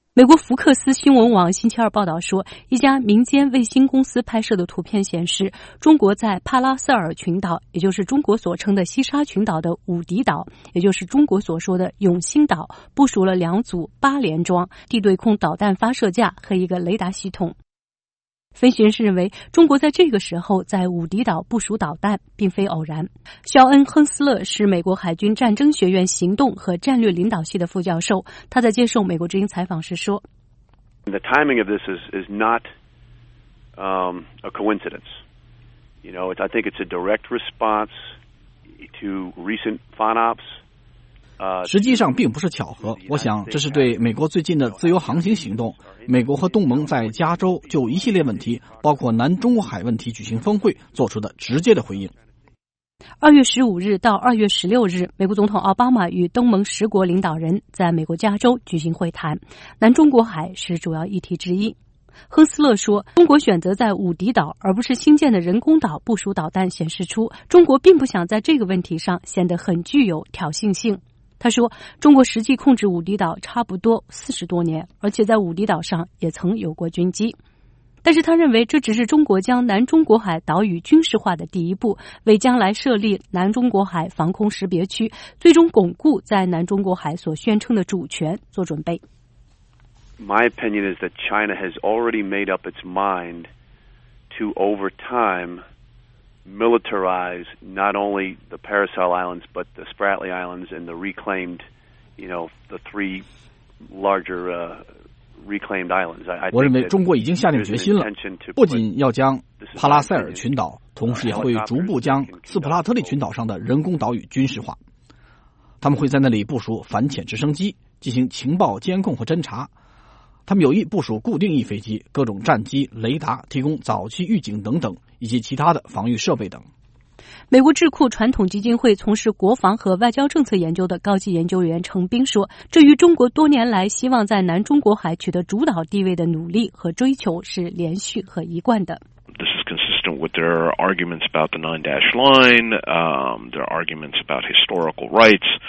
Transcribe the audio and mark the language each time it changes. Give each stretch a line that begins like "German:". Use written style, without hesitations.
Chinese: 美国福克斯新闻网星期二报道说，一家民间卫星公司拍摄的图片显示，中国在帕拉塞尔群岛，也就是中国所称的西沙群岛的武迪岛，也就是中国所说的永兴岛，部署了两组八连装地对空导弹发射架和一个雷达系统。分析人士认为，中国在这个时候在武迪岛部署导弹并非偶然。肖恩·亨斯勒是美国海军战争学院行动和战略领导系的副教授，他在接受美国之音采访时说，
English: The timing of this is not a coincidence. You know, I think it's a direct response to recent FONOPS.
Chinese: 实际上并不是巧合，我想这是对美国最近的自由航行行动，美国和东盟在加州就一系列问题，包括南中国海问题举行峰会做出的直接的回应。 2月15日到2月16日，美国总统奥巴马与东盟十国领导人在美国加州举行会谈，南中国海是主要议题之一。亨斯勒说，中国选择在武迪岛而不是新建的人工岛部署导弹，显示出中国并不想在这个问题上显得很具有挑衅性。他说，中国实际控制武迪岛差不多40多年，而且在武迪岛上也曾有过军机。但是他认为，这只是中国将南中国海岛屿军事化的第一步，为将来设立南中国海防空识别区，最终巩固在南中国海所宣称的主权做准备。
English: My opinion is that China has already made up its mind to over time militarize not only the Paracel Islands but the Spratly Islands and the reclaimed, you know, the three larger reclaimed islands.
Chinese: 我认为中国已经下定决心了，不仅要将帕拉塞尔群岛，同时也会逐步将斯普拉特利群岛上的人工岛屿军事化。他们会在那里部署反潜直升机，进行情报监控和侦查。他们有意部署固定翼飞机、各种战机、雷达，提供早期预警等等，以及其他的防御设备等。美国智库传统基金会从事国防和外交政策研究的高级研究员程斌说，这与中国多年来希望在南中国海取得主导地位的努力和追求是连续和一贯的。
English: This is consistent with their arguments about the nine-dash line, their arguments about historical rights.